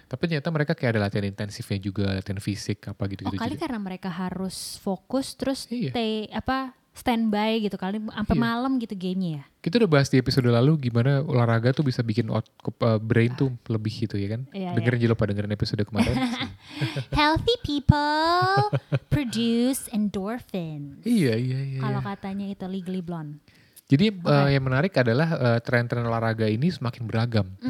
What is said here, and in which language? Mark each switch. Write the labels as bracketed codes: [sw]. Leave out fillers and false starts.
[id] Tapi ternyata mereka kayak ada latihan intensifnya juga, latihan fisik apa gitu. Oh kali jadi, karena mereka harus fokus terus standby gitu kali sampai malam gitu game-nya ya. Kita udah bahas di episode lalu gimana olahraga tuh bisa bikin brain tuh lebih gitu ya kan. Dengerin juga, lupa dengerin episode kemarin. [en] Healthy people produce endorphins. [id] Iya. Kalau katanya itu Legally Blonde. Jadi yang menarik adalah tren-tren olahraga ini semakin beragam.